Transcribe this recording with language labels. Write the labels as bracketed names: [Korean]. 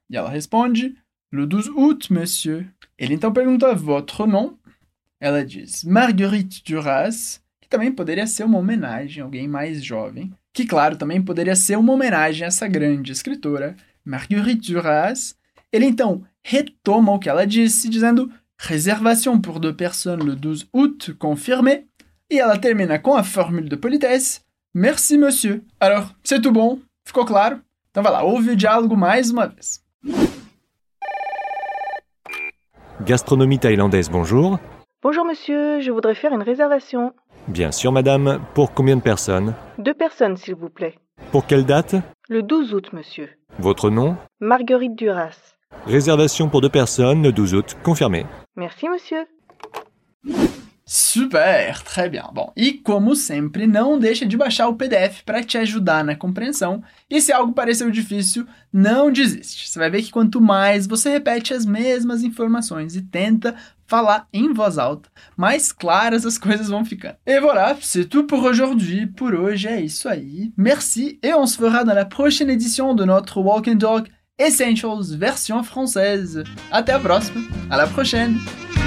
[Portuguese] E ela responde [French] Le 12 août monsieur. [Portuguese] Ele então pergunta [French] Votre nom? [Portuguese] Ela diz Marguerite Duras, que também poderia ser uma homenagem a alguém mais jovem. Que, claro, também poderia ser uma homenagem a essa grande escritora, Marguerite Duras. Ele, então, retoma o que ela disse, dizendo [French] Réservation pour deux personnes le 12 août, confirmé. [Portuguese] E ela termina com a fórmula de politesse [French] Merci, monsieur. Alors, c'est tout bon? [Portuguese] Ficou claro? Então, vai lá, ouve o diálogo mais uma vez. [French] Gastronomie thaïlandaise, bonjour. Bonjour, monsieur. Je voudrais faire une réservation. Bien sûr, madame. Pour combien de personnes? Deux personnes, s'il vous plaît. Pour quelle date? Le 12 août, monsieur. Votre nom? Marguerite Duras. Réservation pour deux personnes, le 12 août, confirmé. Merci, monsieur. Super, très bien. [Portuguese] Bon, e como sempre, não deixa de baixar o PDF para te ajudar na compreensão. E se algo pareceu difícil, não desiste. Você vai ver que quanto mais você repete as mesmas informações e tenta falar em voz alta, mais claras as coisas vão ficando. [French] Et voilà, c'est tout pour aujourd'hui. [Portuguese] Por hoje é isso aí. [French] Merci et on se verra dans la prochaine édition de notre Walk and Talk Essentials version française. [Portuguese] Até a próxima. [French] À la prochaine.